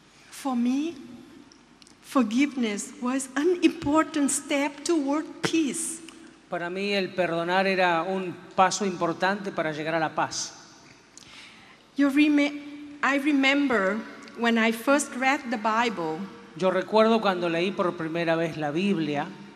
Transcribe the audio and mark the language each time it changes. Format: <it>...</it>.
<en>For me, forgiveness was an important step toward peace.</en> <es>Para mí, el perdonar era un paso importante para llegar a la paz.</es> <en>I remember when I first read the Bible.</en> <es>Yo recuerdo cuando leí por primera vez la Biblia.</es>